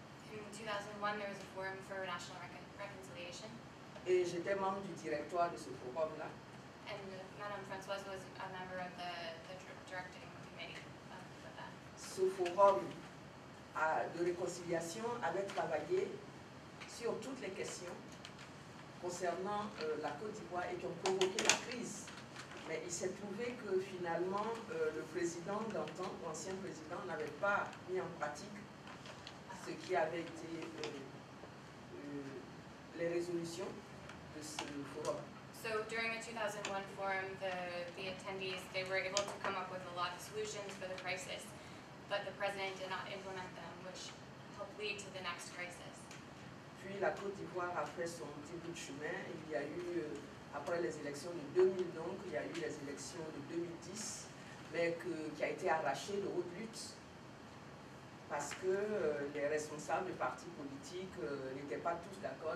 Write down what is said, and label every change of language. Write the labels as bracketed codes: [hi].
[en] In 2001, there was a forum for national reconciliation. [fr] Et j'étais membre du directoire de ce forum-là. [en] And Madame Francoise was a member of the directing committee. [fr] Ce forum de réconciliation avait travaillé sur toutes les questions concernant la Côte d'Ivoire et qui ont provoqué la crise. Mais il s'est trouvé que finalement, le président d'antan, l'ancien président, n'avait pas mis en pratique ce qui avait été les résolutions de ce forum. [en] So during the 2001 forum, the attendees, they were able to come up with a lot of solutions for the crisis, but the president did not implement them, which helped lead to the next crisis. [fr] Puis la Côte d'Ivoire a fait son petit bout de chemin. Il y a eu, après les élections de 2000, donc, il y a eu les élections de 2010, mais qui a été arrachée de haute lutte, parce que les responsables de partis politiques n'étaient pas tous d'accord.